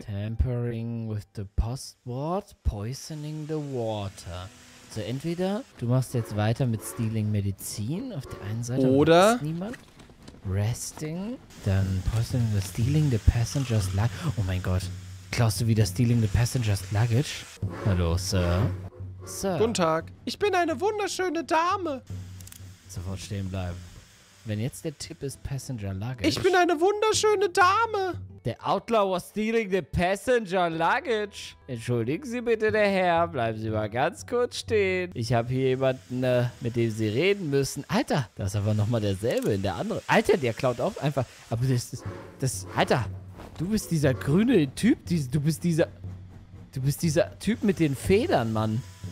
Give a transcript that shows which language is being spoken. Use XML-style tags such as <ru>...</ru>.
<en>Tampering with the postboard, poisoning the water.</en> <de>So, entweder du machst jetzt weiter mit</de> <en>stealing</en> <de>Medizin auf der einen Seite. Oder niemand.</de> <en>Resting.</en> <de>Dann</de> <en>poisoning the stealing the passenger's luggage.</en> <de>Oh mein Gott. Klaust du wieder</de> <en>stealing the passenger's luggage?</en> <de>Hallo, Sir. Sir. Guten Tag. Ich bin eine wunderschöne Dame. Sofort stehen bleiben. Wenn jetzt der Tipp ist Passenger Luggage. Ich bin eine wunderschöne Dame.</de> <en>The Outlaw was stealing the passenger luggage.</en> <de>Entschuldigen Sie bitte, der Herr. Bleiben Sie mal ganz kurz stehen. Ich habe hier jemanden, mit dem Sie reden müssen. Alter, das ist aber nochmal derselbe in der anderen. Alter, der klaut auch einfach. Aber das, Alter, du bist dieser grüne Typ. Du bist dieser Typ mit den Federn, Mann.</de>